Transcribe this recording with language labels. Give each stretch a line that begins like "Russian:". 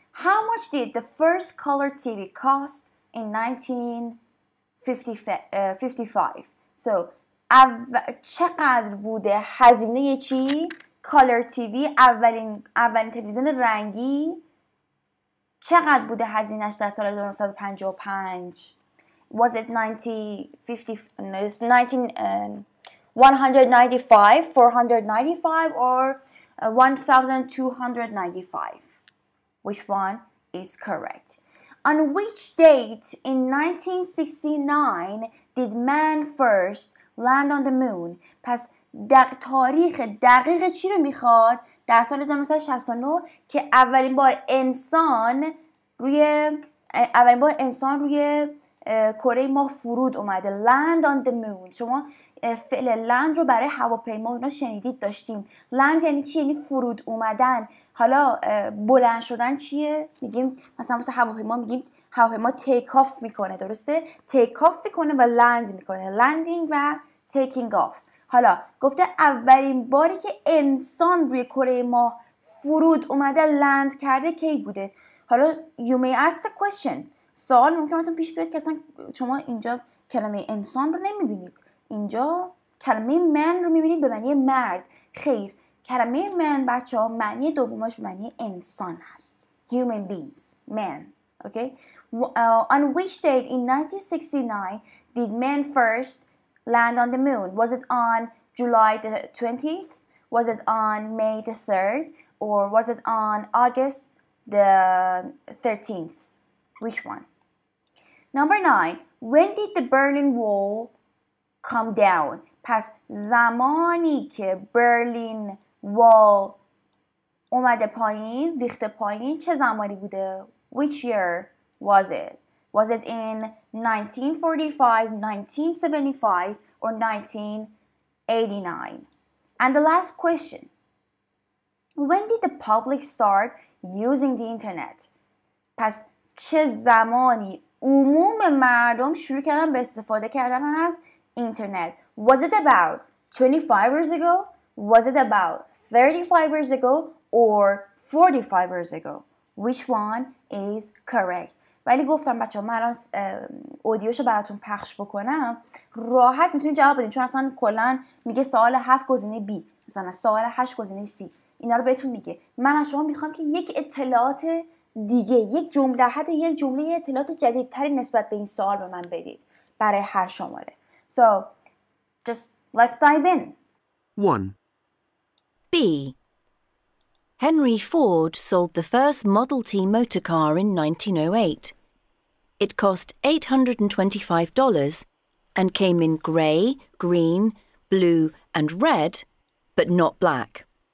English: How much did the first color TV cost in 1955?
Persian: So, چقدر بوده هزینه چی؟ کالر تیوی، اولین تلویزیون رنگی چقدر بوده هزینش در سال 1955؟
English: Was it 1995 or 1295? Which one is correct? On which date in 1969 did man first land on the moon?
Persian: پس تاریخ دقیق چی رو میخواد در سال 1969 که اولین بار انسان روی کره ما فرود اومده؟
English: land on the moon.
Persian: شما فعل land رو برای هواپیما اونا شنیدید، داشتیم. land یعنی چی؟ یعنی فرود اومدن. حالا بلند شدن چیه؟ میگیم مثلا واسه هواپیما میگیم هواپیما take off میکنه، درسته؟ take off میکنه و land میکنه، landing و taking off. حالا گفته اولین باری که انسان روی کره ما فرود اومده land کرده کی بوده؟ حالا
English: you may ask the question.
Persian: سوال ممکنه بهتون پیش بیاد که اصلا شما اینجا کلمه انسان رو نمیبینید، اینجا کلمه من رو میبینید به معنی مرد. خیر، کلمه من بچه ها معنی دومش به معنی انسان هست، human beings، man.
English: Okay. On which date in 1969 did man first land on the moon? Was it on July the 20th? Was it on May the 3rd? Or was it on August the 13th? Which one? Number 9. When did the Berlin Wall come down?
Persian: پس زمانی که Berlin Wall اومده پایین، ریخته پایین، چه زمانی بوده؟
English: Which year was it? Was it in 1945, 1975, or 1989? And the last question. When did the public start using the internet?
Persian: پس چه زمانی عموم مردم شروع کردن به استفاده کردن از اینترنت؟
English: Was it about 25 years ago? Was it about 35 years ago or 45 years ago? Which one is correct?
Persian: ولی گفتم بچه ها من الان اودیوشو براتون پخش بکنم راحت میتونید جواب بدین چون اصلا کلن میگه سوال 7 گزینه B مثلا سوال 8 گزینه C اینا رو بهتون میگه من از شما میخوام که یک اطلاعات دیگه یک جمله در حد یک جمله اطلاعات جدیدتری نسبت به این سوال به من بدید برای هر شماره
English: So just let's dive in 1. B. Henry Ford sold the first Model T motor car in 1908. It cost $825 and came in grey, green, blue and red, but not black.